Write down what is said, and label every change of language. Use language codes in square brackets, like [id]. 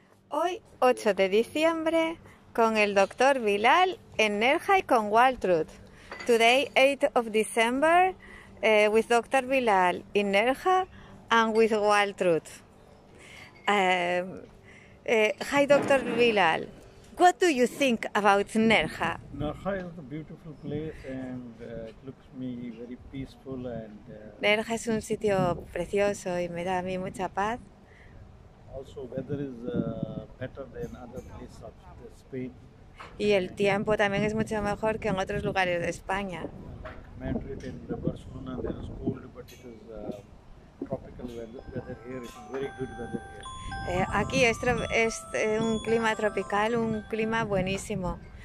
[es] Hoy, 8 de diciembre, con el doctor Bilal en Nerja y con Waltrud. [en] Today, 8 of December, with Dr. Bilal in Nerja and with Waltrud. Hi, Dr. Bilal. What do you think about Nerja? Nerja is a beautiful place and it looks to me very peaceful and [es] Nerja es un sitio precioso y me da a mí mucha paz. [en] also weather is better than other places of Spain. [es] Y el tiempo también es mucho mejor que en otros lugares de España. [en] Like Madrid and Barcelona, they are cold, but it is tropical weather here. It is very good weather here. [es] Aquí es un clima tropical, un clima buenísimo.